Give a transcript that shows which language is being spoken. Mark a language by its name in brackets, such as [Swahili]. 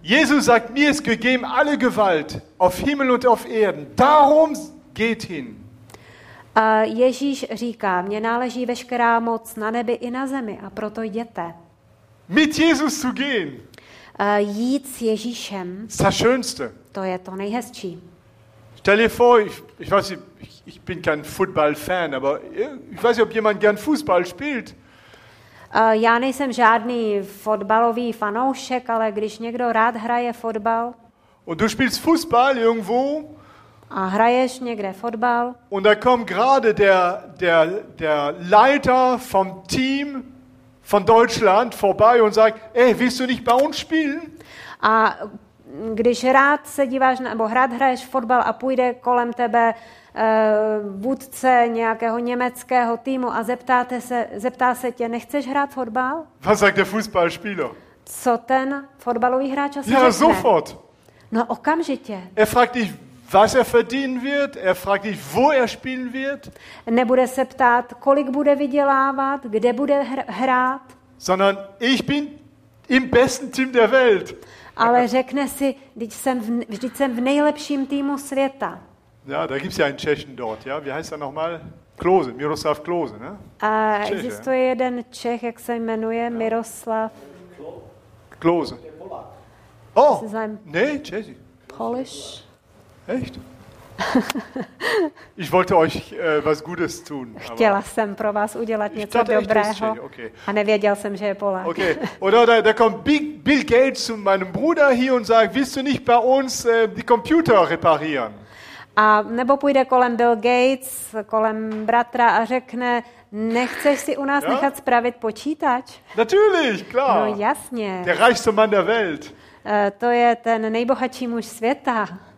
[German] Jesus sagt, mir ist gegeben alle Gewalt auf Himmel und auf Erden. Darum geht hin. [Czech] Ježíš říká, mně náleží veškerá moc na nebi i na zemi a proto jděte. [German] Mit Jesus zu gehen. [Czech] Jít s Ježíšem. [German] Das schönste. [Czech] To je to nejhezčí. [German] Stell dir vor, ich weiß nicht, ich bin kein Fußballfan, aber ich weiß nicht, ob jemand gern Fußball spielt. [Czech] Já nejsem žádný fotbalový fanoušek, ale když někdo rád hraje fotbal. [German] Und du spielst Fußball irgendwo? [Czech] A hraješ někde fotbal? [German] Und da kommt gerade der Leiter vom Team von Deutschland vorbei und sagt: "Ey, willst du nicht bei uns spielen?" [Czech] A když rád se díváš nebo rád hraješ fotbal a půjde kolem tebe vůdce nějakého německého týmu a zeptá se tě: "Nechceš hrát fotbal?" [German] Was sagt der Fußballspieler? [Czech] Co ten fotbalový hráč asi řekne? [German] Ja, sofort. [Czech] No, okamžitě. [German] Er fragt dich, was er verdienen wird, er fragt dich, wo er spielen wird. [Czech] Nebude se ptát, kolik bude vydělávat, kde bude hrát. [German] Sondern ich bin im besten Team der Welt. [Czech] Ale řekne si, vždyť jsem v nejlepším týmu světa. [German] Ja, da gibt's ja einen Tschechen dort, ja. Wie heißt er nochmal? Klose, Miroslav Klose, ne? [Czech] Existuje jeden Čech, jak se jmenuje, ja. Miroslav [English] Klose. Oh, ne, Czech. Polish. [German] Echt? Ich wollte euch was Gutes tun. [Czech] Chtěla jsem pro vás udělat něco dobrého. A nevěděl jsem, že je Polák. [English] Okay. [German] Oder da kommt Bill Gates zu meinem Bruder hier und sagt: "Willst du nicht bei uns die Computer reparieren?" [Czech] A nebo půjde kolem Bill Gates, kolem bratra a řekne: "Nechceš si u nás nechat spravit počítač?" [German] Natürlich, klar. [Czech] No jasně. [German] Der reichste Mann der Welt. [Czech] To je ten nejbohatší muž světa.